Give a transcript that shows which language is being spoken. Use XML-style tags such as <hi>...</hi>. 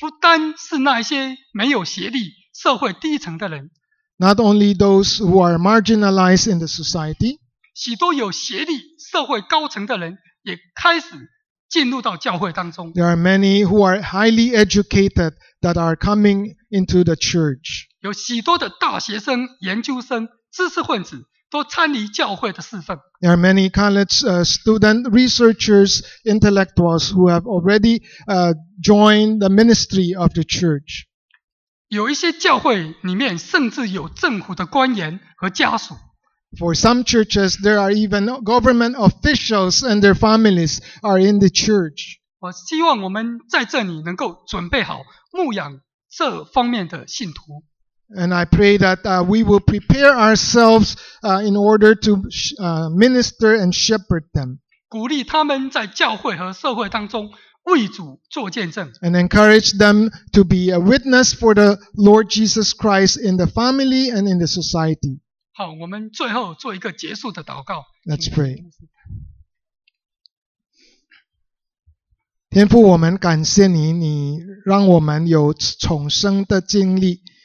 <zh>不单是那些没有学历、社会低层的人。</zh> <en>Not only those who are marginalized in the society.</en> <zh>许多有学历、社会高层的人也开始进入到教会当中。</zh> <en>There are many who are highly educated that are coming into the church.</en> <zh>有许多的大学生、研究生、知识分子都参与教会的侍奉。</zh> <en>There are many college student researchers, intellectuals who have already joined the ministry of the church.</en> <zh>有一些教会里面甚至有政府的官员和家属。</zh> <en>For some churches, there are even government officials and their families are in the church.</en> <zh>我希望我们在这里能够准备好牧养这方面的信徒。</zh> <en>And I pray that we will prepare ourselves in order to minister and shepherd them.</en> <zh>鼓励他们在教会和社会当中为主做见证。</zh> <en>And encourage them to be a witness for the Lord Jesus Christ in the family and in the society.</en> <zh>好，我们最后做一个结束的祷告。</zh> <en>Let's pray.</en> <zh>天父，我们感谢你，你让我们有重生的经历。</zh>